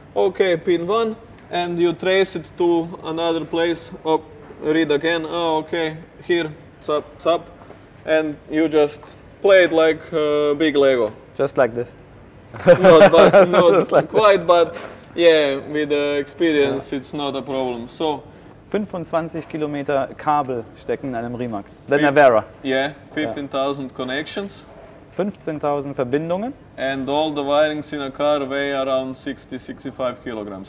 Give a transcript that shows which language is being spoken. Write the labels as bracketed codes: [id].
[en] Okay, pin 1. And you trace it to another place. Oh, read again, oh, okay, here, top, and you just play it like big Lego. Just like this. not quite, but yeah, with the experience, it's not a problem. So, [de] 25 Kilometer Kabel stecken in einem Rimac, der Navara. [en] Yeah, 15,000 connections. [de] 15,000 Verbindungen. [en] And all the wirings in a car weigh around 60-65 kilograms.